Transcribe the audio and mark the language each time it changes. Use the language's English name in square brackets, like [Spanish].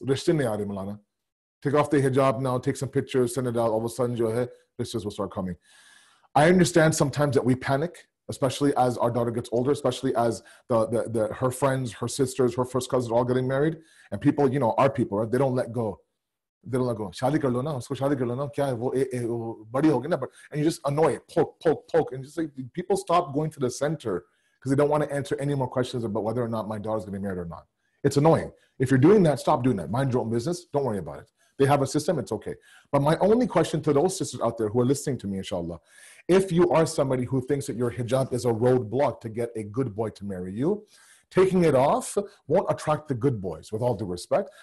[English] Take off the hijab now, take some pictures, send it out. All of a sudden, your sisters will start coming. I understand sometimes that we panic, especially as our daughter gets older, especially as the her friends, her sisters, her first cousins are all getting married. And people, you know, our people, right? They don't let go. [Hindi] शादी कर लो ना, उसको शादी कर लो ना। क्या है? वो बड़ी हो गया ना। [English] And you just annoy it. Poke. And just like, people stop going to the center because they don't want to answer any more questions about whether or not my daughter's going to be married or not. It's annoying. If you're doing that, stop doing that. Mind your own business. Don't worry about it. They have a system. It's okay. But my only question to those sisters out there who are listening to me, inshallah, if you are somebody who thinks that your hijab is a roadblock to get a good boy to marry you, taking it off won't attract the good boys, with all due respect.